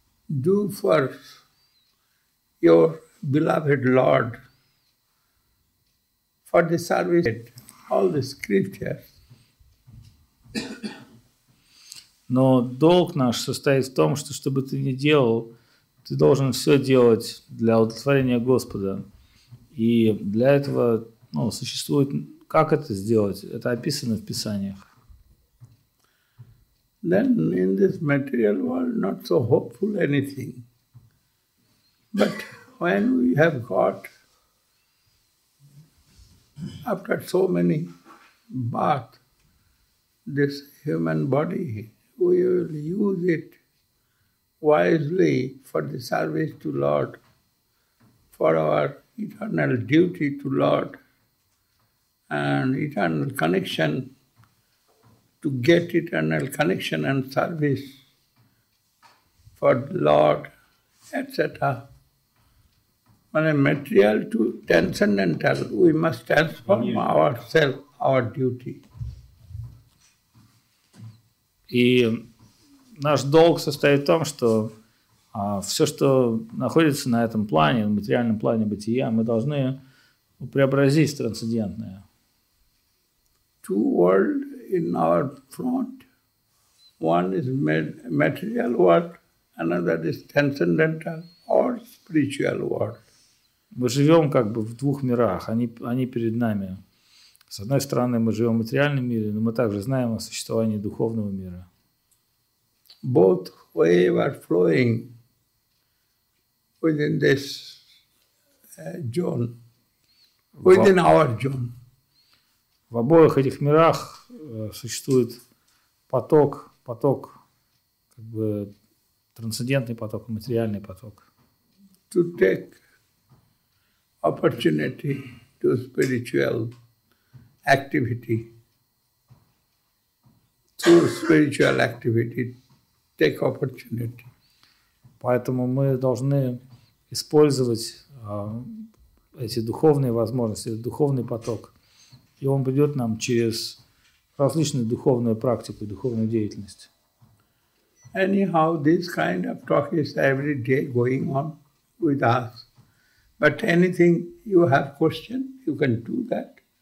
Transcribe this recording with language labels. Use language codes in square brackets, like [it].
[en] Do for your beloved Lord, for the service of all the scriptures. [ru] Но долг наш состоит в том, что чтобы ты ни делал, ты должен все делать для удовлетворения Господа. И для этого ну, существует, как это сделать? Это описано в Писаниях. [en] Then in this material world, not so hopeful anything. But when we have got, after so many births, this human body, we will use it wisely for the service to Lord, for our eternal duty to Lord, and eternal connection to get eternal connection and service for the Lord, etc. When a material to transcendental, we must transform ourselves, our duty. [ru] И наш долг состоит в том, что все, что находится на этом плане, на материальном плане бытия, мы должны преобразить в трансцендентное. [en] Two worlds in our front. One is material world, another is transcendental or spiritual world. [ru] Мы живем как бы в двух мирах, они перед нами. С одной стороны, мы живем в материальном мире, но мы также знаем о существовании духовного мира. [en] Both waves are flowing within this zone, within our zone. [ru] В обоих этих мирах существует поток, поток, как бы трансцендентный поток, материальный поток. [en] To take opportunity to spiritual activity, through spiritual activity, take opportunity. [ru] Поэтому мы должны использовать эти духовные возможности, духовный поток, и он придет нам через различную духовную практику, духовную деятельность. [en] Anyhow, this kind of talk is every day going on with us. But anything you have question, you can do that.